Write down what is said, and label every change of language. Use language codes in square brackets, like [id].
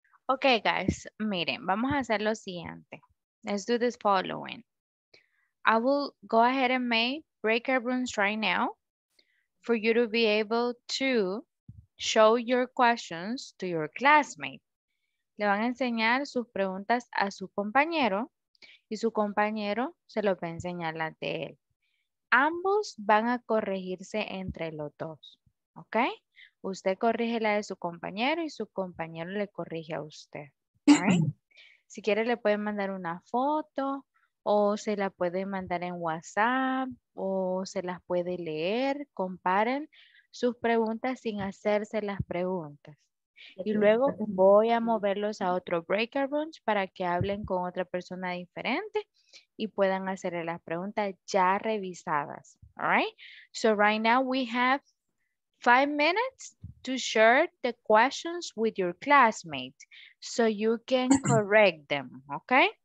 [en] Okay, guys, [es] miren, vamos a hacer lo siguiente. [en] Let's do this following. I will go ahead and make breakout rooms right now for you to be able to show your questions to your classmate. [es] Le van a enseñar sus preguntas a su compañero y su compañero se los va a enseñar las de él. Ambos van a corregirse entre los dos, okay? Usted corrige la de su compañero y su compañero le corrige a usted. [en] Right? [es] Si quiere le puede mandar una foto o se la puede mandar en WhatsApp o se las puede leer. Comparen sus preguntas sin hacerse las preguntas. Y luego voy a moverlos a otro breakout rooms para que hablen con otra persona diferente y puedan hacer las preguntas ya revisadas. [en] Alright? So right now we have 5 minutes to share the questions with your classmates so you can correct them, okay?